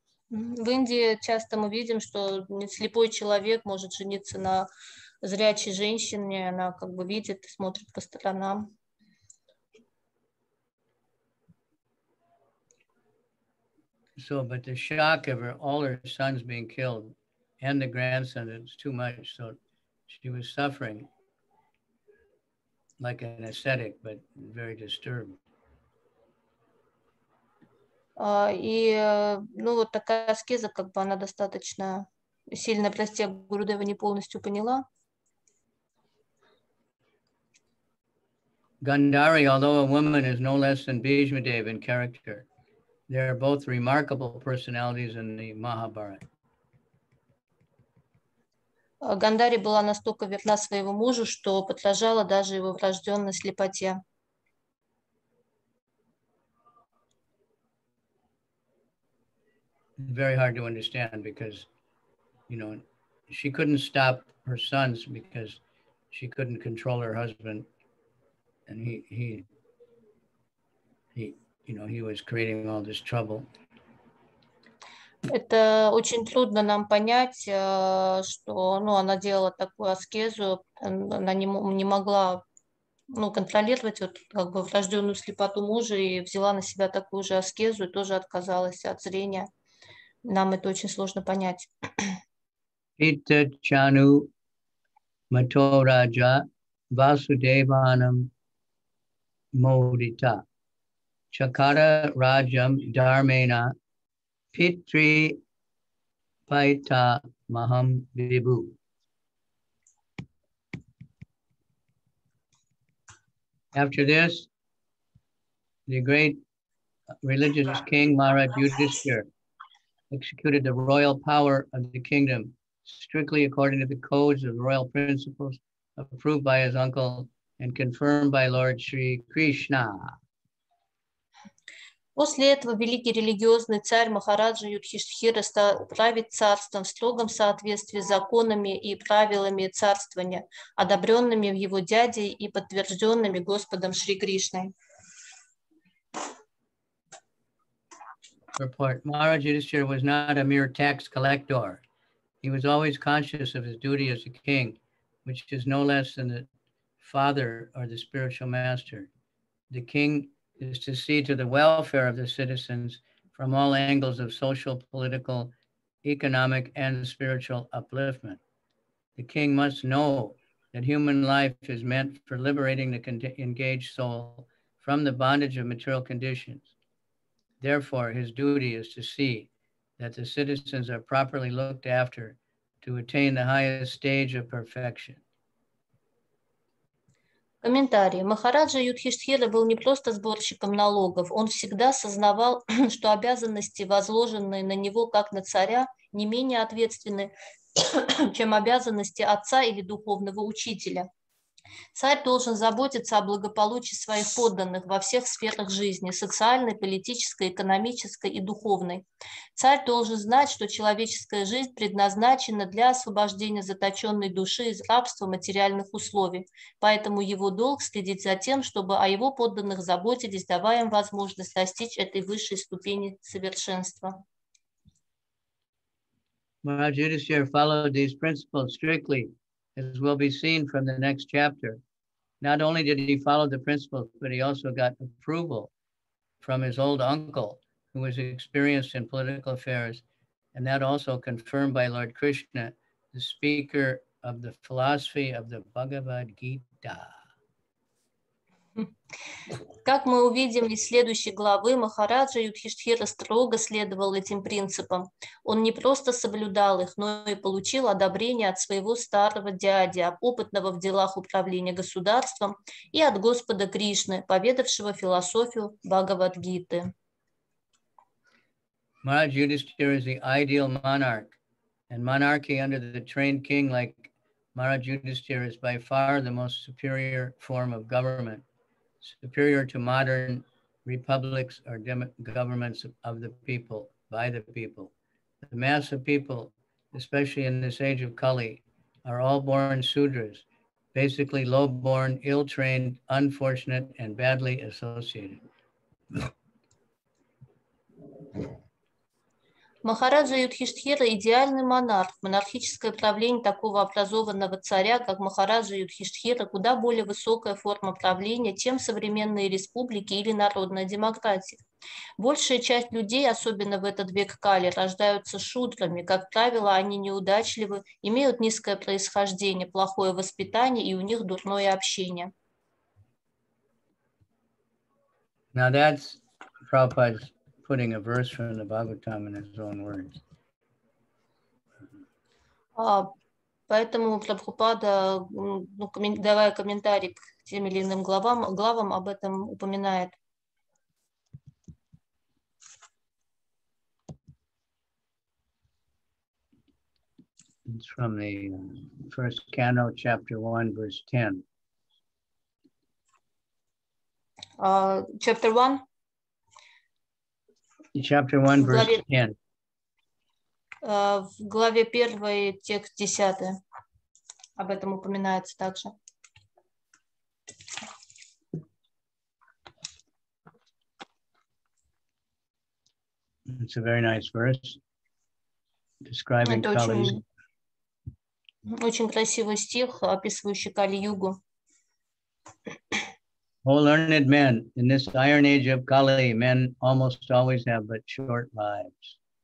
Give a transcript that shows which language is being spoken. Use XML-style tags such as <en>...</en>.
<ru>В Индии часто мы видим, что слепой человек может жениться на зрячей женщине, она как бы видит, смотрит по сторонам.</ru> <en>So, but the shock of her, all her sons being killed and the grandson, it's too much, so she was suffering like an ascetic, but very disturbed.</en> <ru>Вот такая аскеза, как бы она достаточно сильно, прости, Гурудева не полностью поняла.</ru> <en>Gandhari, although a woman, is no less than Bhishma Dev in character. They are both remarkable personalities in the Mahabharata.</en> <ru>Гандхари была настолько верна своему мужу, что подражала даже его врожденной слепоте.</ru> <en>Very hard to understand because, you know, she couldn't stop her sons because she couldn't control her husband, and you know, he was creating all this trouble.</en> <ru>Это очень трудно нам понять, что, ну, она делала такую аскезу, она не могла, ну, контролировать вот, как бы, врожденную слепоту мужа и взяла на себя такую же аскезу и тоже отказалась от зрения. Нам это очень сложно понять.</ru> <sa>Ita Chanu Matoraja Vasudevanam Modita Chakara Rajam Dharmena Pitri Paita Maham Vibhu.</sa> <en>After this, the great religious king Maharaj Yudhishthira executed the royal power of the kingdom strictly according to the codes of royal principles approved by his uncle and confirmed by Lord Sri Krishna.</en> <ru>После этого великий религиозный царь Махараджа Юдхиштхира правит царством в строгом соответствии с законами и правилами царствования, одобренными его дядей и подтвержденными Господом Шри Кришной.</ru> <en>Report. Maharaj Yudhishthira was not a mere tax collector. He was always conscious of his duty as a king, which is no less than the father or the spiritual master. The king is to see to the welfare of the citizens from all angles of social, political, economic, and spiritual upliftment. The king must know that human life is meant for liberating the engaged soul from the bondage of material conditions. Therefore, his duty is to see that the citizens are properly looked after to attain the highest stage of perfection.</en> <ru>Комментарий. Махараджа Юдхиштхира был не просто сборщиком налогов. Он всегда сознавал, что обязанности, возложенные на него как на царя, не менее ответственны, чем обязанности отца или духовного учителя. Царь должен заботиться о благополучии своих подданных во всех сферах жизни – социальной, политической, экономической и духовной. Царь должен знать, что человеческая жизнь предназначена для освобождения заточенной души из рабства материальных условий. Поэтому его долг – следить за тем, чтобы о его подданных заботились, давая им возможность достичь этой высшей ступени совершенства.</ru> <en>As will be seen from the next chapter, not only did he follow the principles, but he also got approval from his old uncle, who was experienced in political affairs, and that also confirmed by Lord Krishna, the speaker of the philosophy of the Bhagavad Gita.</en> <ru>Как мы увидим из следующей главы, Махараджа Юдхиштхира строго следовал этим принципам. Он не просто соблюдал их, но и получил одобрение от своего старого дяди, опытного в делах управления государством, и от Господа Кришны, поведавшего философию Бхагавадгиты.</ru> <en>Махарадж Юдхиштхира is the ideal monarch, and monarchy under the trained king like Махарадж Юдхиштхира is by far the most superior form of government. Superior to modern republics or governments of the people, by the people. The mass of people, especially in this age of Kali, are all born sudras, basically low-born, ill-trained, unfortunate, and badly associated.</en> <ru>Махараджа Юдхиштхира – идеальный монарх. Монархическое правление такого образованного царя, как Махараджа Юдхиштхира, куда более высокая форма правления, чем современные республики или народная демократия. Большая часть людей, особенно в этот век Кали, рождаются шудрами. Как правило, они неудачливы, имеют низкое происхождение, плохое воспитание и у них дурное общение.</ru> <en>Now that's Prabhupada's putting a verse from the Bhagavatam in his own words.</en> <ru>Поэтому Прабхупада, ну, давая комментарий к тем или иным главам об этом упоминает.</ru> <en>It's from the first canto, chapter 1, verse 10. Chapter 1? Chapter 1, verse 10.</en> <ru>В главе 1, текст 10. Об этом упоминается также.</ru> <en>It's a very nice verse. Describing Kali-Yuga.</en> <ru>Очень красивый стих, описывающий Кали-Югу.</ru> <en>Oh, learned men, in this iron age of Kali, men almost always have but short lives.</en>